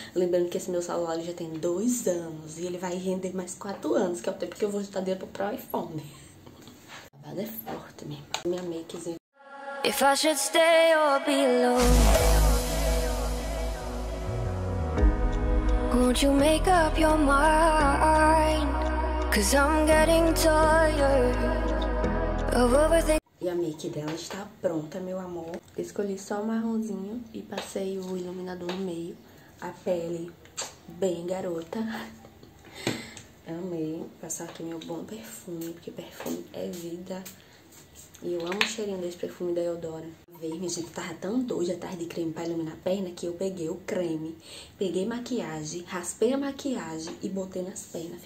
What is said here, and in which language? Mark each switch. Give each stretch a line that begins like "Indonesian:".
Portuguese: Lembrando que esse meu celular já tem 2 anos. E ele vai render mais 4 anos, que é o tempo que eu vou juntar dinheiro pro iPhone. A babada é forte mesmo. Minha makezinha.
English: If I should stay or be Won't you make up your mind? Cause I'm getting tired of everything.
Portuguese: E a make dela está pronta, meu amor. Escolhi só o marronzinho e passei o iluminador no meio. A pele bem garota. Amei. Passar aqui meu bom perfume, porque perfume é vida. E eu amo o cheirinho desse perfume da Eudora. Ver, minha gente, tava tão doida atrás de creme pra iluminar a perna que eu peguei o creme, peguei maquiagem, raspei a maquiagem e botei nas pernas.